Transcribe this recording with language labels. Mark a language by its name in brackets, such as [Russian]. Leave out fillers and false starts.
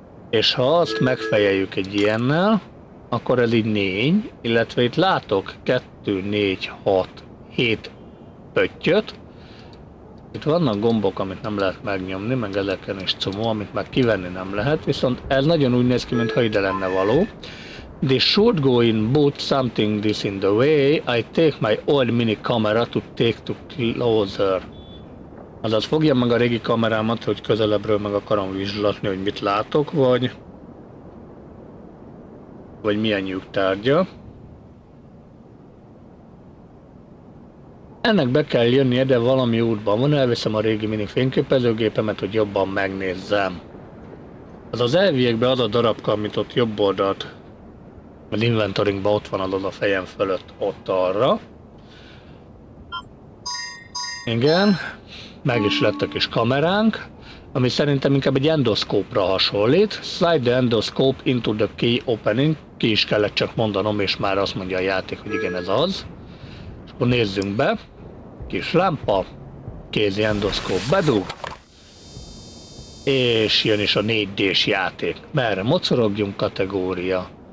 [Hungarian] És ha azt megfejeljük egy ilyennel, akkor ez így 4, illetve itt látok 2, 4, 6, 7 pöttyöt. Itt vannak gombok, amit nem lehet megnyomni, meg ezeken is csomó, amit meg kivenni nem lehet, viszont ez nagyon úgy néz ki, mintha ide lenne való. [English] This should go in, but something this in the way. I take my old mini camera to take to closer. [Hungarian] Azaz fogjam meg a régi kamerámat, hogy közelebbről meg akarom vizsgálni, hogy mit látok, vagy... vagy milyen nyugtárgya. Ennek be kell jönnie, de valami útban van. Elviszem a régi mini fényképezőgépemet, hogy jobban megnézzem. Azaz elviekben az a darabka, amit ott jobb oldalt... mert inventoringban ott van az a fejem fölött, ott arra. Igen, meg is lett a kis kameránk, ami szerintem inkább egy endoszkópra hasonlít. [English] Slide the endoscope into the key opening. [Hungarian] Ki is kellett csak mondanom, és már azt mondja a játék, hogy igen, ez az. És akkor nézzünk be. Kis lámpa, kézi endoszkóp, bedug. És jön is a 4D-s játék. Merre mocorogjunk kategória.